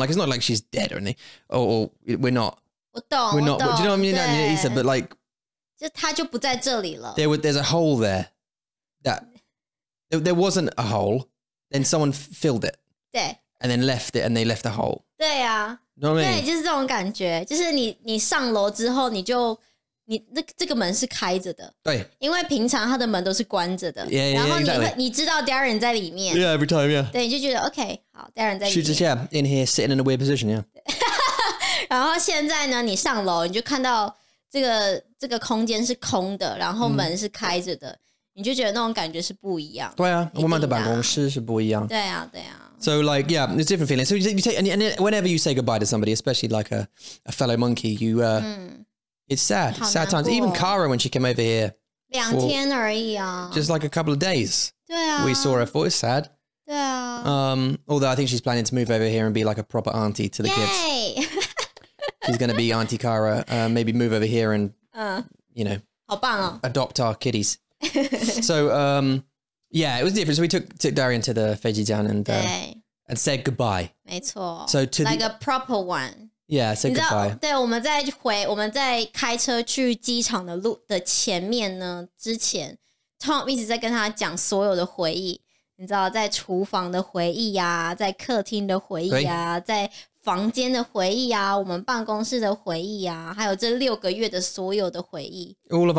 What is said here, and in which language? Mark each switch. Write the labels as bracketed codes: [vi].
[en] Like, it's not like she's dead or anything. Or we're not. [zh] 我懂, [en] we're not. [zh] 我懂, [en] do you know what I mean? Yeah, but like, [zh] 就他就不在这里了。 [en] There's a hole there. There wasn't a hole. Then someone filled it. [zh] 对。 [en] And then left it, and they left a hole. [zh] 对啊。 [en] You know what I mean? [zh] 对，就是这种感觉。就是你上楼之后，这个门是开着的。对。因为平常他的门都是关着的。 [en] Yeah, yeah, [zh] 然后 [en] exactly. [zh] 你知道 Darian 在里面。 [en] Yeah, every time, yeah. [zh] 对，你就觉得 OK, 好 ,Darian 在里面。 [en] She's just, yeah, in here, sitting in a weird position, yeah. [zh] 然后现在呢，你上楼，你就看到这个空间是空的，然后门是开着的，你就觉得那种感觉是不一样。对啊，我们的办公室是不一样。对啊，对啊。 [en] So like, yeah, it's different feeling. So you say, and whenever you say goodbye to somebody, especially like a fellow monkey, you it's sad, sad times. Even Kara when she came over here, [zh] 两天而已啊 [en] ，just like a couple of days. [zh] 对啊 [en] ，we saw her for sad. [zh] 对啊。 [en] Although I think she's planning to move over here and be like a proper auntie to the kids. She's going to be Auntie Cara. Maybe move over here and, you know, [zh] 好棒哦. [en] Adopt our kitties. So, yeah, it was different. So we took Darian to the [zh] 飞机站 [en] and said goodbye. [zh] 没错. [en] So to like the, a proper one. Yeah, said goodbye. [zh] 对，我们在开车去机场的路的前面呢，之前 Tom 一直在跟他讲所有的回忆。你知道，在厨房的回忆啊，在客厅的回忆啊，在房间的回忆啊，我们办公室的回忆啊，还有这六个月的所有的回忆。All